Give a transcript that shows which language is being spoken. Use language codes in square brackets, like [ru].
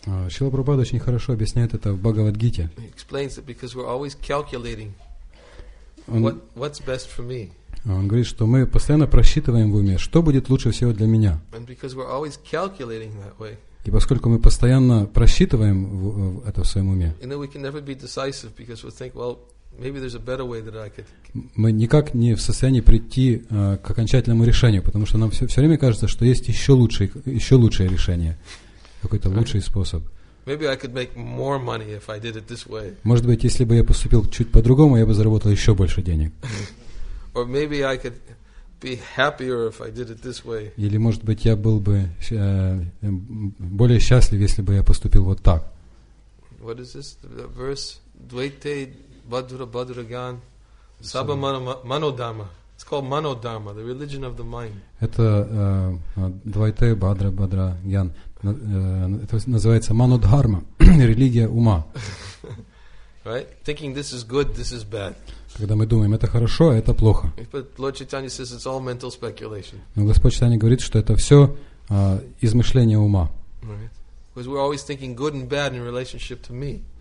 [ru] Шрила Прабхупада очень хорошо объясняет это в Бхагавад Гите. [en] He explains it because we're always calculating what's best for me. [ru] Он говорит, что мы постоянно просчитываем в уме, что будет лучше всего для меня. [en] And because we're always calculating that way. [ru] И поскольку мы постоянно просчитываем это в своем уме, [en] and then we can never be decisive because we think, well, maybe there's a better way that I could. [ru] Мы никак не в состоянии прийти к окончательному решению, потому что нам все время кажется, что есть еще лучшее решение, какой-то лучший способ. [en] Maybe I could make more money if I did it this way. [ru] Может быть, если бы я поступил чуть по-другому, я бы заработал еще больше денег. [en] Or maybe I could be happier if I did it this way. [ru] Или, может быть, я был бы более счастлив, если бы я поступил вот так. [en] What is this? The verse [bn] Dvaite Bhadra Bhadragan Saba Manodhamma. [en] It's called Manodhamma, the religion of the mind. [ru] Это [bn] Dvaite Bhadra Bhadragan. [ru] Это называется Манодхарма, религия ума. [en] Right? Thinking this is good, this is bad. [ru] Когда мы думаем, это хорошо, а это плохо. [en] But Lord Chaitanya says it's all mental speculation. [ru] Но Господь Чайтанья говорит, что это все измышление ума. [en] Right. Because we're always thinking good and bad in relationship to me.